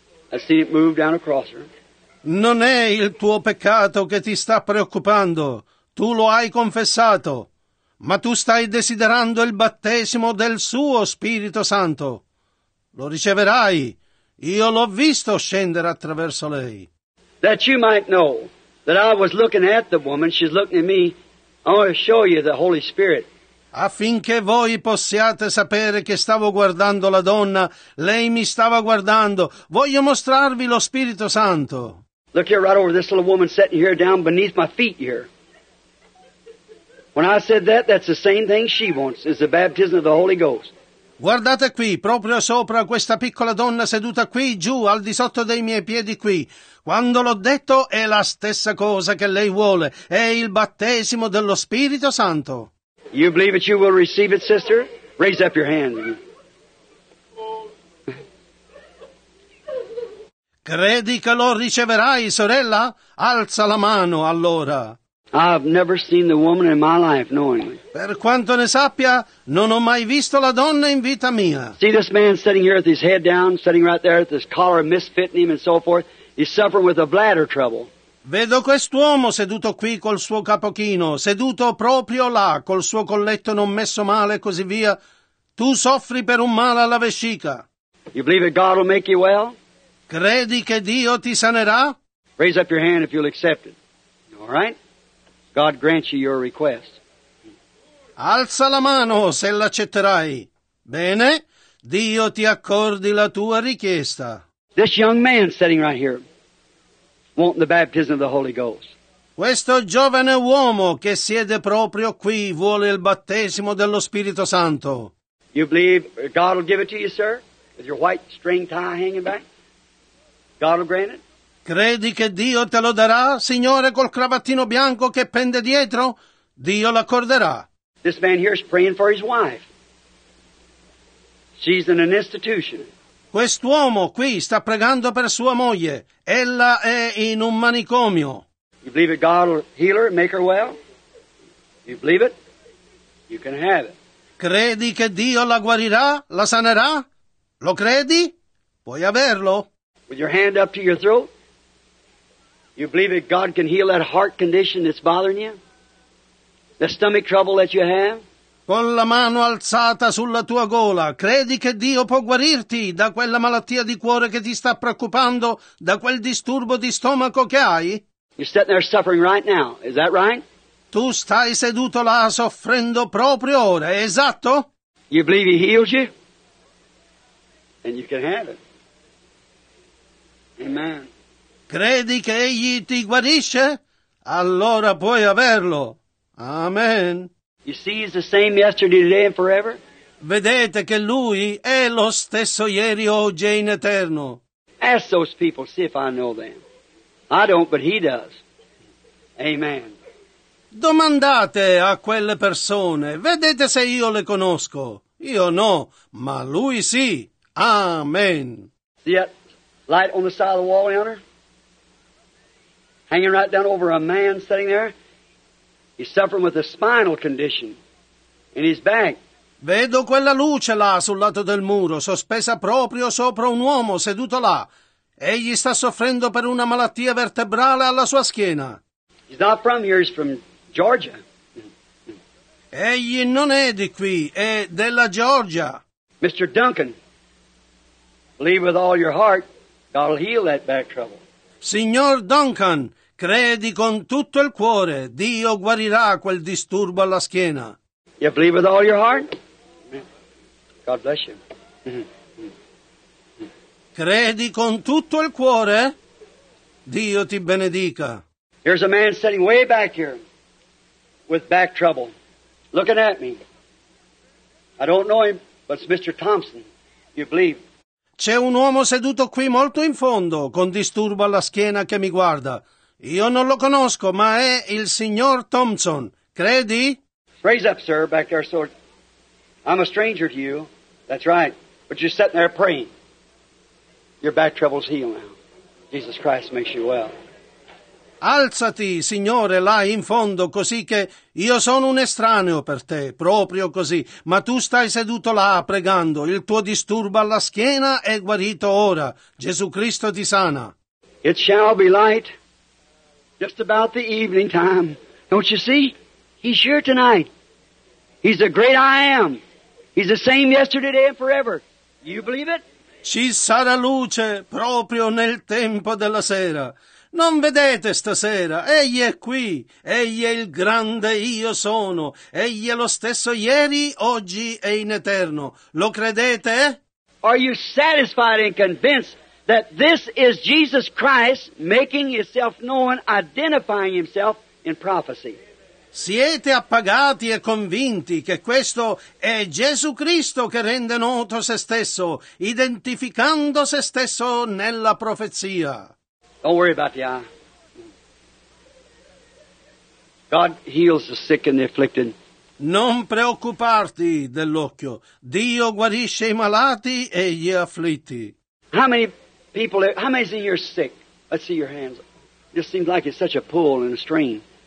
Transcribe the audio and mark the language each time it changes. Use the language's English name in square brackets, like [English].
[English] I've seen it move down across her. [Italian] Non è il tuo peccato che ti sta preoccupando. Tu lo hai confessato. Ma tu stai desiderando il battesimo del suo Spirito Santo. Lo riceverai. Io l'ho visto scendere attraverso lei. [English] That you might know that I was looking at the woman, she's looking at me, I want to show you the Holy Spirit. [Italian] Affinché voi possiate sapere che stavo guardando la donna, lei mi stava guardando, voglio mostrarvi lo Spirito Santo. [English] Look here right over this little woman sitting here down beneath my feet here. When I said that, that's the same thing she wants, is the baptism of the Holy Ghost. [Italian] Guardate qui, proprio sopra questa piccola donna seduta qui, giù, al di sotto dei miei piedi qui. Quando l'ho detto, è la stessa cosa che lei vuole, è il battesimo dello Spirito Santo. [English] You believe that you will receive it, sister? Raise up your hand. [Italian] Credi che lo riceverai, sorella? Alza la mano, allora. [English] I've never seen the woman in my life knowingly. [Italian] Per quanto ne sappia, non ho mai visto la donna in vita mia. [English] See this man sitting here with his head down, sitting right there with his collar misfitting him and so forth. He's suffering with a bladder trouble. [Italian] Vedo quest'uomo seduto qui col suo capochino, seduto proprio là, col suo colletto non messo male e così via. Tu soffri per un male alla vescica. [English] You believe that God will make you well? [Italian] Credi che Dio ti sanerà? [English] Raise up your hand if you'll accept it. All right? God grant you your request. [Italian] Alza la mano se l'accetterai. Bene, Dio ti accordi la tua richiesta. [English] This young man sitting right here, wanting the baptism of the Holy Ghost. [Italian] Questo giovane uomo che siede proprio qui vuole il battesimo dello Spirito Santo. [English] You believe God will give it to you, sir, with your white string tie hanging back? God will grant it? [Italian] Credi che Dio te lo darà, Signore, col cravattino bianco che pende dietro? Dio l'accorderà. [English] This man here is praying for his wife. She's in an institution. [Italian] Quest'uomo qui sta pregando per sua moglie. Ella è in un manicomio. [English] You believe that God will heal her and make her well? You believe it? You can have it. [Italian] Credi che Dio la guarirà, la sanerà? Lo credi? Puoi averlo. [English] With your hand up to your throat? You believe that God can heal that heart condition that's bothering you? The stomach trouble that you have? [Italian] Con la mano alzata sulla tua gola, credi che Dio può guarirti da quella malattia di cuore che ti sta preoccupando, da quel disturbo di stomaco che hai? [English] You're sitting there suffering right now, is that right? [Italian] Tu stai seduto là soffrendo proprio ora, è esatto? [English] You believe he heals you? And you can have it. Amen. [Italian] Credi che egli ti guarisce? Allora puoi averlo. Amen. [English] You see, he's the same yesterday, today, and forever. [Italian] Vedete che lui è lo stesso ieri, oggi e in eterno. [English] Ask those people, see if I know them. I don't, but he does. Amen. [Italian] Domandate a quelle persone. Vedete se io le conosco. Io no, ma lui sì. Amen. [English] See that light on the side of the wall, Hunter? Hanging right down over a man sitting there. He's suffering with a spinal condition in his back. [Italian] Vedo quella luce là sul lato del muro, sospesa proprio sopra un uomo seduto là. Egli sta soffrendo per una malattia vertebrale alla sua schiena. [English] He's not from here, he's from Georgia. [Italian] Egli non è di qui, è della Georgia. [English] Mr. Duncan, believe with all your heart, God will heal that back trouble. [Italian] Signor Duncan, credi con tutto il cuore, Dio guarirà quel disturbo alla schiena. [English] You believe with all your heart? God bless you. [Italian] Credi con tutto il cuore? Dio ti benedica. [English] Here's a man sitting way back here with back trouble, looking at me. I don't know him, But it's Mr. Thompson, you believe. [Italian] C'è un uomo seduto qui molto in fondo, con disturbo alla schiena che mi guarda. Io non lo conosco, ma è il signor Thompson. Credi? [English] Raise up, sir, back there, sir. I'm a stranger to you. That's right. But you're sitting there praying. Your back trouble's healed now. Jesus Christ makes you well. [Italian] Alzati, signore, là in fondo, così che io sono un estraneo per te, proprio così. Ma tu stai seduto là, pregando. Il tuo disturbo alla schiena è guarito ora. Gesù Cristo ti sana. [English] It shall be light. Just about the evening time. Don't you see? He's here tonight. He's the great I am. He's the same yesterday, today, and forever. You believe it? [Italian] Ci sarà luce proprio nel tempo della sera. Non vedete stasera? Egli è qui. Egli è il grande io sono. Egli è lo stesso ieri, oggi e in eterno. Lo credete? [English] Are you satisfied and convinced that this is Jesus Christ making himself known, identifying himself in prophecy? [Italian] Siete appagati e convinti che questo è Gesù Cristo che rende noto se stesso, identificando se stesso nella profezia? [English] Don't worry about the eye. God heals the sick and the afflicted. [Italian] Non preoccuparti dell'occhio. Dio guarisce i malati e gli afflitti. [English] How many people, how many of you are sick? Let's see your hands. It just seems like it's such a pull and a strain.